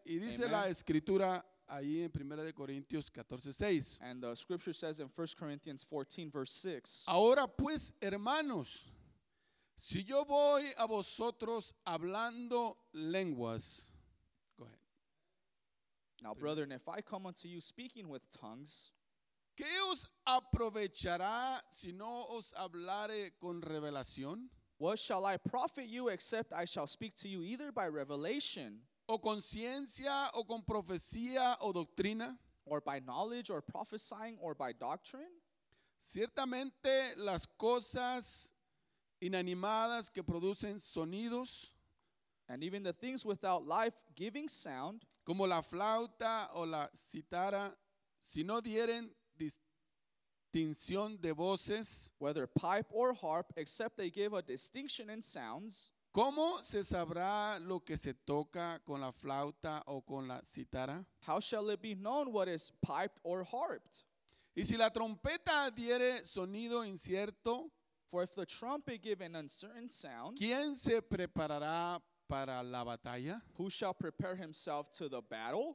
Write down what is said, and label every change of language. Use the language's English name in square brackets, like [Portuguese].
[Spanish] Y dice amen. La escritura ahí en 1 Corintios 14:6. [English] And the scripture says in 1 Corinthians 14 verse 6. [Spanish] Ahora pues, hermanos, si yo voy a vosotros hablando lenguas. [English] Go ahead. Now, brethren, if I come unto you speaking with tongues, [Spanish] ¿qué os aprovechará si no os hablare con revelación? [English] What shall I profit you except I shall speak to you either by revelation? [Spanish] O con ciencia, o con profecía, o doctrina? [English] Or by knowledge, or prophesying, or by doctrine? [Spanish] Ciertamente las cosas inanimadas que producen sonidos, [English] and even the things without life giving sound, [Spanish] como la flauta o la cítara, si no dieren distinción de voces, [English] whether pipe or harp, except they give a distinction in sounds, [Spanish] ¿cómo se sabrá lo que se toca con la flauta o con la cítara? [English] How shall it be known what is piped or harped? [Spanish] Y si la trompeta diere sonido incierto, [English] for if the trumpet give an uncertain sound, [Spanish] ¿quién se preparará para la batalla? [English] Who shall prepare himself to the battle?